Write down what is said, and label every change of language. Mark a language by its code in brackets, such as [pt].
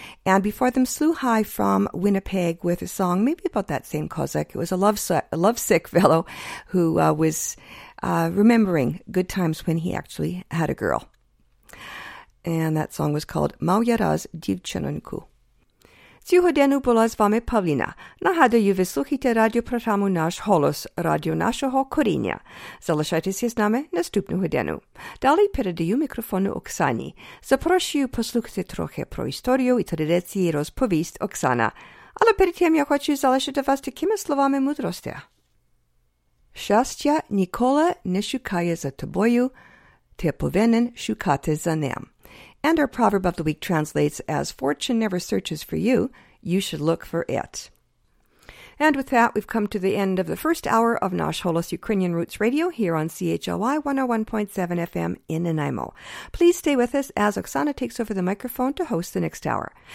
[en] And before them, Sluhai from Winnipeg with a song maybe about that same Cossack. It was a lovesick fellow who was remembering good times when he actually had a girl. And that song was called Moja Raz Dievčanunku. [uk] Цього дня була з вами Павліна. Нагадую, ви слухайте радіопрограму «Наш голос», радіо нашого коріння. Залишайтеся з нами наступного дня. Далі передаю мікрофон Оксані. Запрошую послухати трохи про історію і традиції розповість Оксана. Але перед тим я хочу залишити вас такими словами мудрості. Щастя ніколи не шукає за тобою, ти повинен шукати за ним. [en] And our proverb of the week translates as, fortune never searches for you, you should look for it. And with that, we've come to the end of the first hour of Nash Holos Ukrainian Roots Radio here on CHLY 101.7 FM in Nanaimo. Please stay with us as Oksana takes over the microphone to host the next hour.